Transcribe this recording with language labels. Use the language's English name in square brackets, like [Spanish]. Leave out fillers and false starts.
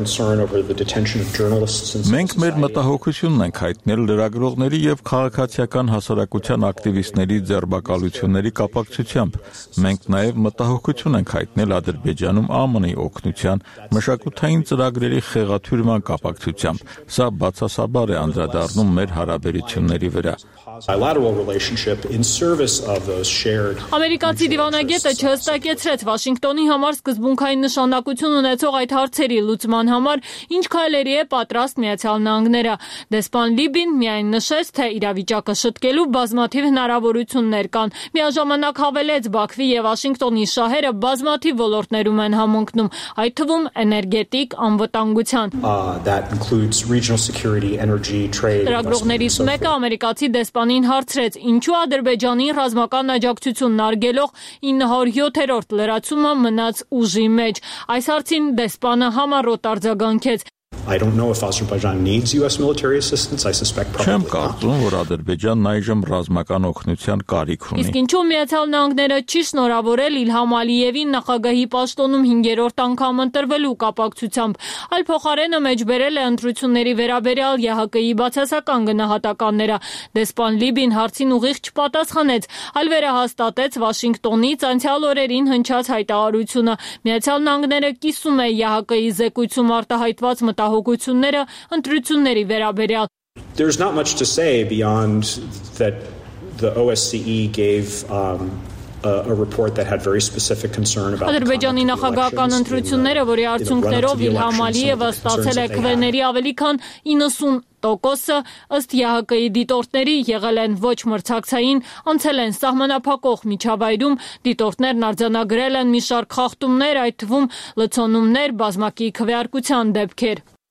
[Armenian] Մենք մեր մտահոգությունն ենք հայտնել լրագրողների և քաղաքացիական հասարակության ակտիվիստների ձերբակալությունների կապակցությամբ։ Մենք նաև մտահոգություն ենք հայտնել Ադրբեջանում ԱՄՆ-ի օգնության մշակութային ծրագրերի խեղաթյուրման կապակցությամբ։ Սա բացասաբար է անդրադառնում մեր հարաբերությունների վրա։ [English] Bilateral relationship in service of those shared [Armenian] Ամերիկացի դիվանագետը չհստակեցրեց Վաշինգտոնի համար սկզբունքային նշանակություն ունեցող այդ հարցերի լուծման համար ինչ քայլերի է պատրաստ Միացյալ Նահանգները։ Դեսպան Լիբին միայն նշեց, թե իրավիճակը շտկելու բազմաթիվ հնարավորություններ կան։ Միաժամանակ հավելեց, Բաքվի և Վաշինգտոնի շահերը բազմաթիվ ոլորտներում են համընկնում, այդ թվում էներգետիկ անվտանգության։ [English] That includes regional security, energy, trade. [Armenian] Լրագրողներից մեկը ամերիկացի Դեսպանին հարցրեց, ինչու Ադրբեջանի ռազմական աջակցությունն արգելող 907-րդ լրացումը մնաց ուժի մեջ։ Այս հարցին դեսպանը համառոտ արձագանքեց. [English] I don't know if Azerbaijan needs US military assistance. I suspect probably. [Armenian] Չեմ կարծում, որ Ադրբեջանն այժմ ռազմական օգնության կարիք ունի։ Իսկ ինչու Միացյալ Նահանգները չի շնորհավորել Իլհամ Ալիևին նախագահի պաշտոնում 5-րդ անգամ ընտրվելու կապակցությամբ, այլ փոխարենը մեջբերել է ընտրությունների վերաբերյալ ԵՀԿ-ի բացասական գնահատականները։ Դեսպան Լիբին հարցին ուղիղ չպատասխանեց, այլ վերահաստատեց Վաշինգտոնից անցյալ օրերին հնչած հայտարարությունը. Միացյալ Նահանգները կիսում է ԵՀԿ-ի զեկույցում արտահայտված մտահոգությունները ընտրությունների վերաբերյալ։ [English] There's not much to say beyond that the OSCE gave a report that had very specific concern about [Armenian] Ադրբեջանի նախագահական ընտրությունները, որի արդյունքներով Իլհամ Ալիևը ստացել է քվեների ավելի քան 90%-ը, ըստ ԵՀԿ-ի դիտորդների, եղել են ոչ մրցակցային, անցել են սահմանափակող միջավայրում, դիտորդներն արձանագրել են մի շարք խախտումներ, այդ թվում լցոնումներ, բազմակի քվեարկության դեպքեր։